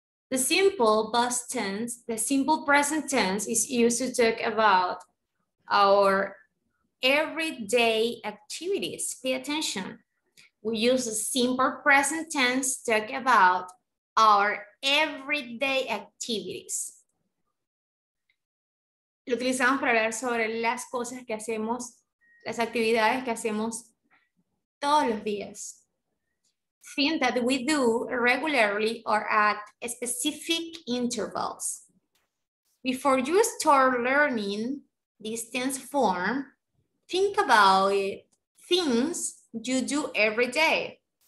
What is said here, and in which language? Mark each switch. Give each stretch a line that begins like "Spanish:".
English: The simple past tense, the simple present tense is used to talk about our everyday activities. Pay attention. We use the simple present tense to talk about our everyday activities.
Spanish: Lo utilizamos para hablar sobre las cosas que hacemos, las actividades que hacemos todos los días.
English: Things that we do regularly or at specific intervals. Before you start learning this tense form, think about it, things you do every day.